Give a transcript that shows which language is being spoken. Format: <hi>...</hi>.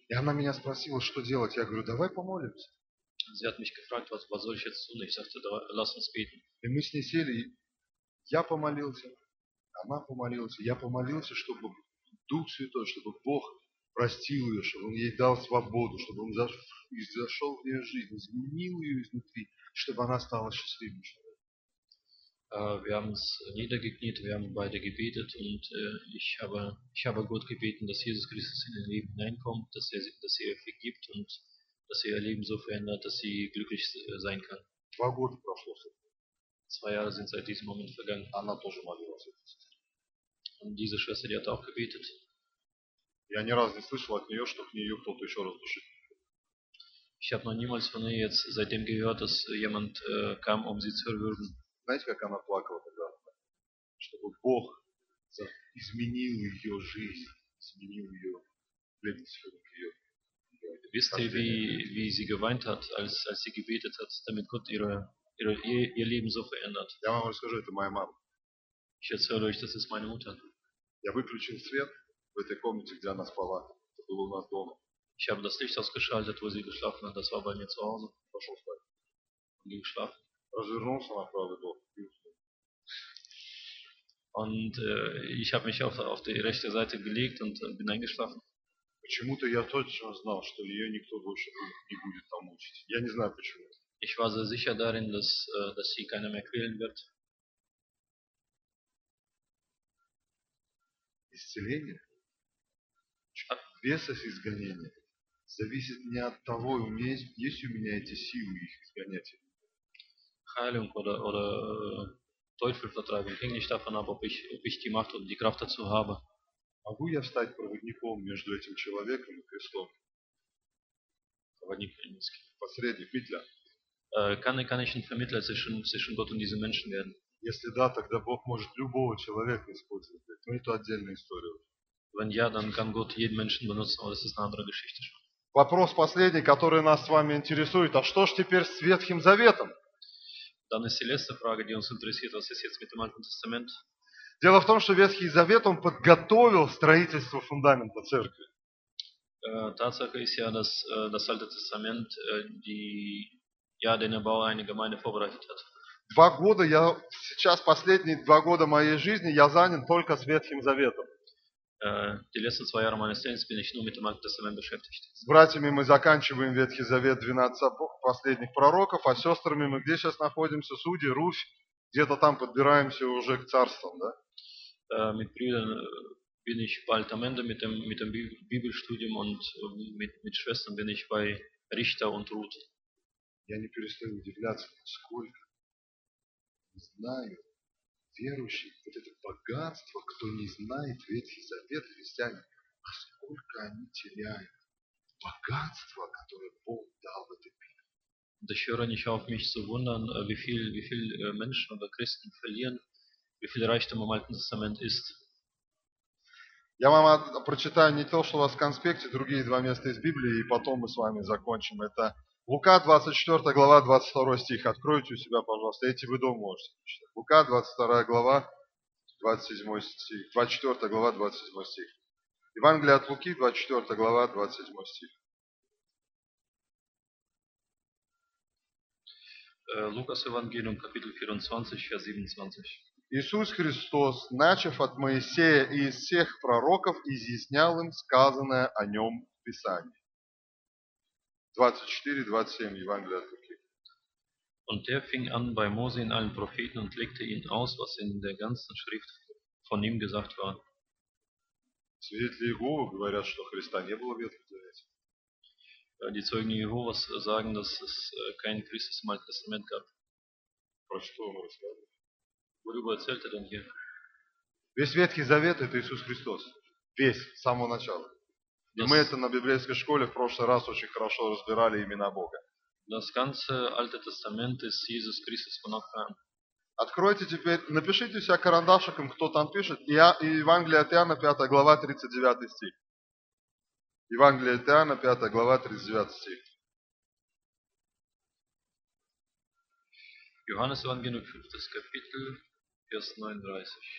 <ru>И она меня спросила, что делать? Я говорю, давай помолимся.</ru> <de>Sie hat mich gefragt, was soll ich jetzt tun? Ich sagte, lass uns beten.</de> <ru>И мы с ней сели, я помолился, она помолилась, я помолился, чтобы Дух Святой, чтобы Бог простил ее, чтобы Он ей дал свободу, чтобы Он зашел в ее жизнь, изменил ее изнутри, чтобы она стала счастливой.</ru> <de>Wir haben es niedergekniet, wir haben beide gebetet und ich habe Gott gebeten, dass Jesus Christus in ihr Leben hineinkommt, dass er ihr vergibt und dass ihr Leben so verändert, dass sie glücklich sein kann. Zwei Jahre sind seit diesem Moment vergangen.</de> <ru>Она тоже молилась.</ru> <de>Und diese Schwester, die hat auch gebetet.</de> <ru>Я ни разу не слышал от нее, что к нее кто-то еще раз душит.</ru> <de>Ich habe noch niemals von ihr jetzt seitdem gehört, dass jemand kam, um sie zu erwürgen.</de> <ru>Знаете, как она плакала тогда? Чтобы Бог изменил ее жизнь, изменил ее лебедь,</ru> <de>Wisst ihr, wie sie geweint hat, als sie gebetet hat, damit Gott ihr Leben so verändert?</de> <ru>Я вам расскажу, это моя мама.</ru> <de>Ich erzähle euch, das ist meine Mutter.</de> <ru>Я выключил свет в этой комнате, где она спала. Это было у нас дома.</ru> <de>Ich habe das Licht ausgeschaltet, wo sie geschlafen hat. Das war bei mir zu Hause.</de> <ru>Пошел спать.</ru> <de>Und ging schlafen.</de> <ru>Развернулся на правый бок.</ru> <de>Und ich habe mich auf die rechte Seite gelegt und bin eingeschlafen.</de> <ru>Почему-то я точно знал, что ее никто больше не будет там мучить. Я не знаю почему.</ru> <de>Ich war sehr sicher darin, dass sie keiner mehr quälen wird.</de> <ru>Исцеление, бесов изгонение, зависит не от того, есть у меня эти силы их изгонять.</ru> <de>Heilung oder Teufelvertreibung hängt nicht davon ab, ob ich die Macht oder die Kraft dazu habe.</de> <ru>Могу я стать проводником между этим человеком и Христом? Проводник немецкий. Посредник, Петля.</ru> <de>Kann ich ein Vermittler zwischen Gott und diesen Menschen werden?</de> <ru>Если да, тогда Бог может любого человека использовать. Но это отдельная история.</ru> <de>Wenn ja, dann kann Gott jeden Menschen benutzen, aber das ist eine andere Geschichte.</de> <ru>Вопрос последний, который нас с вами интересует. А что ж теперь с Ветхим Заветом?</ru> <de>Dann ist die letzte Frage, die uns interessiert, was ist jetzt mit dem Alten Testament?</de> <ru>Дело в том, что Ветхий Завет, он подготовил строительство фундамента церкви.</ru> <de>Tatsache ist ja, dass das Alte Testament den Erbau einer Gemeinde vorbereitet hat.</de> <ru>Два года я сейчас последние два года моей жизни я занят только с Ветхим Заветом.</ru> <de>Die letzten zwei Jahre meines Lebens bin ich nur mit dem Alten Testament beschäftigt.</de> <ru>С братьями мы заканчиваем Ветхий Завет 12 последних пророков, а сестрами мы где сейчас находимся? Судьи, Русь, где-то там подбираемся уже к царствам, да?</ru> <de>Mit Brüdern bin ich bald am Ende mit dem Bibelstudium und mit Schwestern bin ich bei Richter und Ruth.</de> <ru>Я не перестаю удивляться, насколько не знаю. Верующие, вот это богатство, кто не знает Ветхий Завет, христиане, насколько они теряют богатство, которое Бог дал в этой Библии. Да еще раньше</ru> <de>auf mich zu wundern, wie viel Menschen oder Christen verlieren, wie viel Reichtum im Alten Testament ist.</de> <ru>Я вам прочитаю не то, что у вас в конспекте, другие два места из Библии, и потом мы с вами закончим. Это Лука, 24 глава, 22 стих. Откройте у себя, пожалуйста, эти вы дома можете прочитать. Лука, 22 глава, 27 стих. 24 глава, 27 стих. Евангелие от Луки, 24 глава, 27 стих.</ru> <de>Лукас Евангелиум, капитул 24, стих 27.</de> <ru>Иисус Христос, начав от Моисея и из всех пророков, изъяснял им сказанное о Нем в Писании. 24-27 Евангелие от Луки.</ru> <de>Und er fing an bei Mose in allen Propheten und legte ihnen aus, was in der ganzen Schrift von ihm gesagt war.</de> <ru>Свидетели Иеговы говорят, что Христа не было в Ветхом Завете.</ru> <de>Die Zeugen Jehovas sagen, dass es keinen Christus im Alten Testament gab.</de> <ru>Про что он рассказывает?</ru> <de>Worüber erzählt er denn hier?</de> <ru>Весь Ветхий Завет – это Иисус Христос. Весь, с самого начала. И мы это на библейской школе в прошлый раз очень хорошо разбирали имена Бога.</ru> <de>Das ganze Alte Testament ist Jesus Christus von Anfang an.</de> <ru>Откройте теперь, напишите у себя карандашиком, кто там пишет. Евангелие от Иоанна, 5 глава, 39 стих. Евангелие от Иоанна, 5 глава, 39 стих.</ru> <de>Johannes Evangelium, 5. Kapitel, Vers 39.</de>